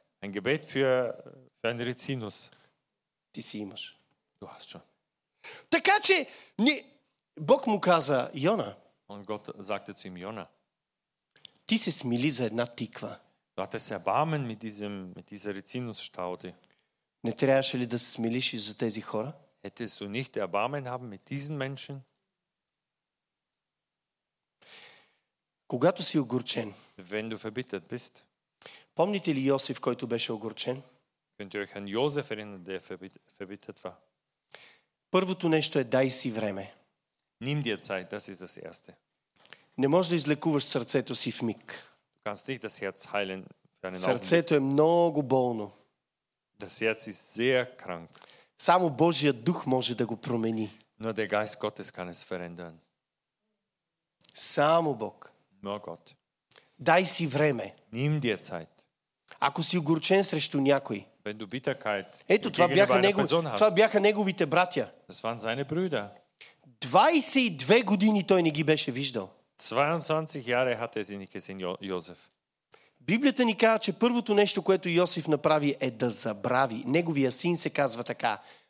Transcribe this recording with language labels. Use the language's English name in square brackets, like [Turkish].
[German] Ein Gebet für einen Rizinus. [Bulgarian] Ти си имаш. [German] Du hast schon. [Bulgarian] Така че ни... Бог му каза Йона. [German] Und Gott sagte zu ihm, Jona. [Bulgarian] Ти се смили за една тиква. [German] Du hattest erbarmen mit dieser Rizinusstaude. [Bulgarian] Не трябваше ли да се смилиш и за тези хора? [German] Hättest du nicht erbarmen haben mit diesen Menschen? [Bulgarian] Когато си огорчен. [German] Wenn du verbittert bist. [Bulgarian] Помните ли Йосиф, който беше огорчен? [German] Könnt ihr euch an Josef erinnern, der verbittert war? [Bulgarian] Първото нещо е дай си време. [German] Nimm dir Zeit, das ist das erste. [Bulgarian] Не можеш да излекуваш сърцето си в миг. [German] Du kannst nicht das Herz heilen für einen Augenblick. [Bulgarian] Сърцето е много болно. [German] Das Herz ist sehr krank. [Bulgarian] Само Божият дух може да го промени. [German] Nur der Geist Gottes kann es verändern. [Bulgarian] Само Бог. [German] Nur Gott. [Bulgarian] Дай си време. [German] Nimm dir Zeit. [Bulgarian] Ако си огорчен срещу някой. [German] Wenn du Bitterkeit. [Bulgarian] Ето това бяха неговите братя. [German] Das waren seine Brüder. [Bulgarian] 22 години той не ги беше виждал. [German] 22 Jahre hatte sie nicht gesehen, Josef. [Bulgarian] Библията ни казва, че първото нещо, което Йосиф направи, е да забрави. Неговия син се казва така.